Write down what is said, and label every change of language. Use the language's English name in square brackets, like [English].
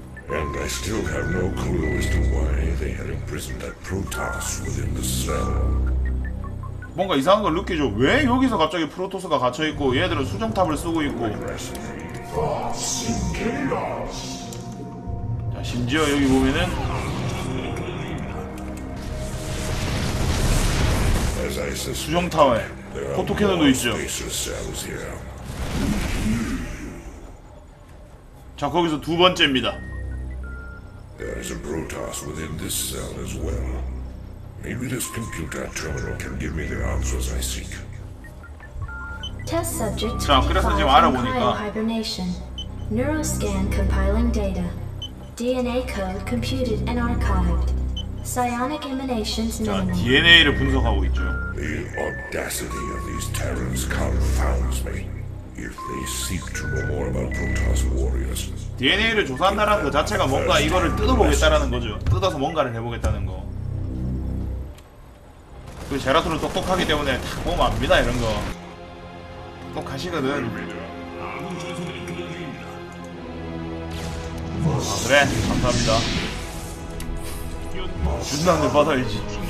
[English] And I still have no clue as to why they had imprisoned that Protoss within the cell. [Korean] 뭔가 이상한 걸 느끼죠. 왜 여기서 갑자기 프로토스가 갇혀 있고 얘들은 수정탑을 쓰고 있고. 자, 심지어 여기 보면은 수정탑에 포토캐논도 있죠. 자, 거기서 두 번째입니다. [English] There is a Protoss within this cell as well. Maybe this computer terminal can give me the answers I seek. Test subject 25 cryo hibernation. Neuroscan compiling data. DNA code computed and archived. Psionic emanations minimum. [Korean] DNA를 분석하고 있죠. [English] The audacity of these Terrans confounds me. If they seek to know more about Protoss warriors. [Korean] DNA를 조사한다라는 것 자체가 뭔가 이거를 뜯어보겠다라는 거죠. 뜯어서 뭔가를 해보겠다는 거. 그 제라토는 똑똑하기 때문에 다 뽑아갑니다. 이런 거 똑하시거든. 아, 그래 감사합니다. 준난을 받아야지.